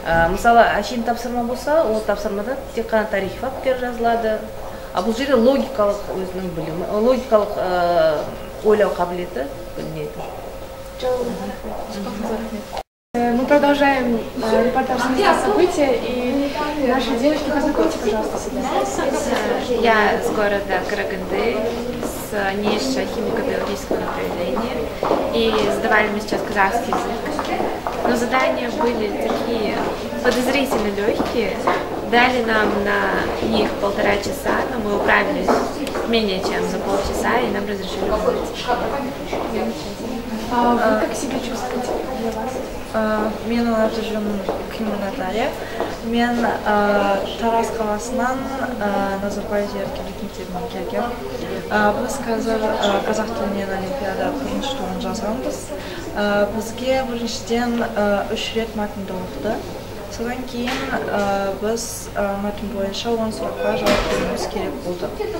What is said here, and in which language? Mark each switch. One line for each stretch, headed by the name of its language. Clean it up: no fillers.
Kazakh: Мысалы, әшейін тапсырма болса, ол тапсырмада тек қана тарихи фактор жазылады. А бұл жерде логикалық өзінің білімі, логикалық ойлау қабілеті білінеді.
Russian: Мы продолжаем репортаж с места события, и наши девочки, познакомьте, пожалуйста, себя. Я с города Караганды, с низшего химико-биологического направления, и сдавали мы сейчас казахский язык. Но задания были такие подозрительно легкие, дали нам на них полтора часа, но мы управились менее чем за полчаса, и нам разрешили выполнить. Вы как себя чувствуете? Меня зовут Кима Наталья.
Kazakh: Мен Тарас қаласынан Назарбаев еркелік мектебіне келген. Біз қазір қазақ тілінен олимпиада бірінші турын жазғанбыз. Бізге біріншіден үш рет мәтінді оқыды. Содан кейін біз мәтін бойынша 10 сұраққа жауап беруіміз керек болды.